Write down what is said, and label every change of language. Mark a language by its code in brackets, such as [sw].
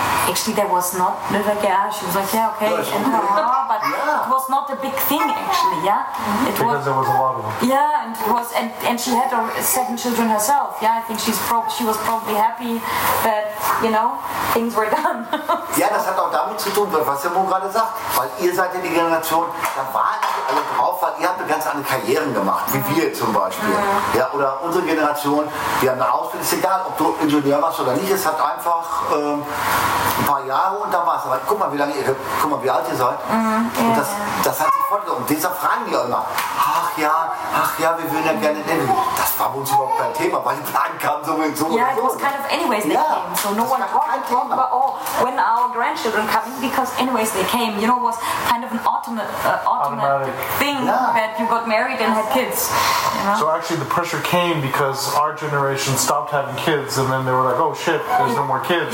[en] Actually, there was not, like, yeah, she was like, yeah, okay. And, but it was not a big thing, actually, yeah. It was, because there was a lot of them. Yeah, and it was, and she had seven children herself, yeah. I think she was probably happy that, you know, things were done. [de] Ja, das hat auch damit zu tun, was der Mo gerade sagt, weil ihr seid ja die Generation, da waren die alle drauf, weil ihr habt eine ganz andere Karrieren gemacht, wie wir zum Beispiel. Ja, oder unsere Generation, wir haben eine Ausbildung, ist egal, ob du Ingenieur warst oder nicht, es hat einfach ein paar Jahre und dann war es. Aber guck mal, wie alt ihr seid. Und das hat sich fortgesetzt. Und deshalb fragen die auch immer, ach ja, wir würden ja gerne nennen. Das war bei uns überhaupt kein Thema, weil die Plan kam so und so. [en] Ja, yeah, it was kind of anyways they came. So no one talked about, when our grandchildren coming, because anyways they came, you know, was kind of an automatic thing that you got married and had kids. You know? So actually the pressure came because our generation stopped having kids, and then they were like, oh shit, there's no more kids.